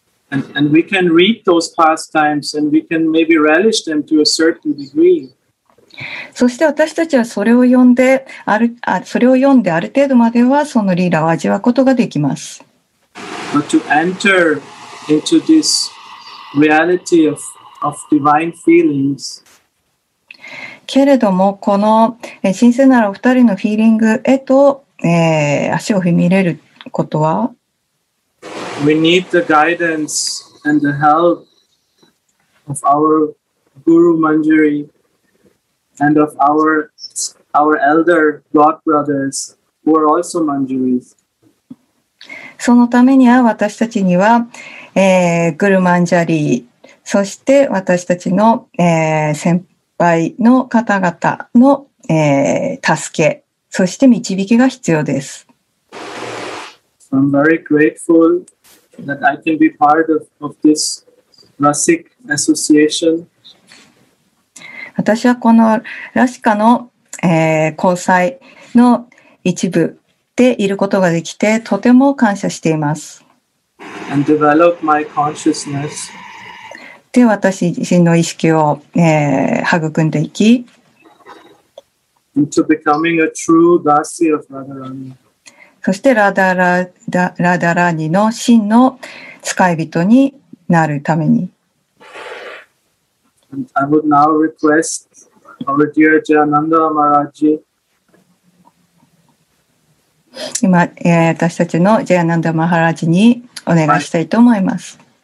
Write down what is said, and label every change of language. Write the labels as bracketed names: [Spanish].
[English] And we can read those pastimes and we can maybe relish them to a certain degree. [Japanese] そして私たちはそれを読んである程度まではそのリーラーを味わうことができます。 [English] But to enter into this reality of divine feelings. [Japanese] けれどもこの神聖なるお二人のフィーリングへと、足を踏み入れることは [English] We need the guidance and the help of our Guru Manjari and of our elder God brothers who are also Manjaris. [Japanese] そのためには私たちには、グルマンジャリーそして私たちの、先輩の方々の、助けそして導きが必要です。 [English] I'm very gratefulThat I can be part of this Rasic Association. [Japanese] 私はこのラシカの、交際の一部でいることができてとても感謝しています。 [English] And develop my consciousness. [Japanese] で、私自身の意識を、育んでいき。 [English] Into becoming a true Dasi of Radharani. [Japanese] そしてラダラニの真の使い人になるために。 [English] I would now request our dear Jayananda Maharaji. [Japanese] 今、私たちのジャヤナンダ・マハラジにお願いしたいと思います。